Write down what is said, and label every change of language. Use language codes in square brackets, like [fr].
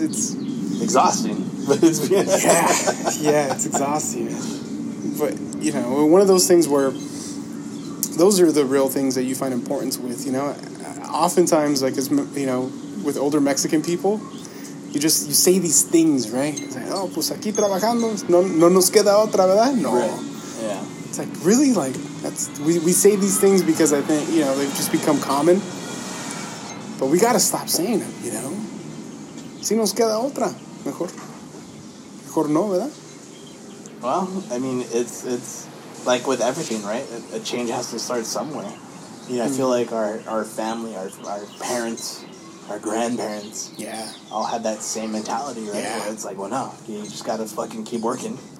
[en] exhausting, but it's yeah, it's exhausting. But you know, one of those things where those are the real things that you find importance with. You know, oftentimes, like as you know, with older Mexican people, you say these things, right? It's like, oh, [es] pues aquí trabajando, no nos queda otra, verdad? [en] No, right. Yeah. It's like really, like that's we say these things because I think you know they've just become common. But we gotta stop saying it, you know? [es] Si nos queda otra, mejor no, ¿verdad? [en] Well, I mean, it's like with everything, right? A change has to start somewhere. You know, I feel like our family, our parents, our grandparents, all had that same mentality, right? Yeah. Where it's like, well, no, you just gotta fucking keep working.